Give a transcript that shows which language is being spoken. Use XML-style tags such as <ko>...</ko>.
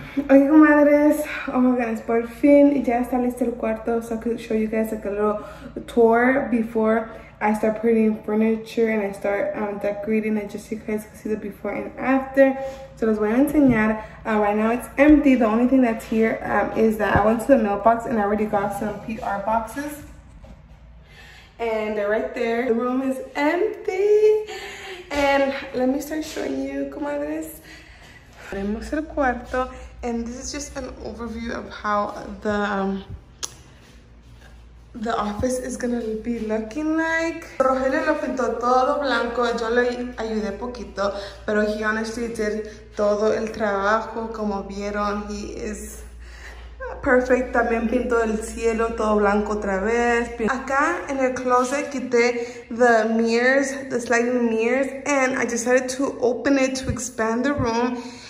<es>Oye, comadres,</es> <en>oh my goodness,</en> <es>por fin ya está listo el cuarto.</es> <en>So I could show you guys like a little tour before I start putting furniture and I start decorating it, just so you guys can see the before and after. So</en> <es>les voy a enseñar.</es> <en>Right now it's empty. The only thing that's here is that I went to the mailbox and I already got some PR boxes. And right there, the room is empty. And let me start showing you, comadres.</en> <es>Tenemos el cuarto.</es> <en>And this is just an overview of how the office is gonna be looking like.</en> <es>Rogelio lo pintó todo blanco. Yo le ayudé poquito, pero</es> <en>he honestly did</en> <es>todo el trabajo. Como vieron,</es> <en>he is perfect.</en> <es>También pintó el cielo todo blanco otra vez. Acá en el closet quité</es> <en>the mirrors, the sliding mirrors, and I decided to open it to expand the room.</en>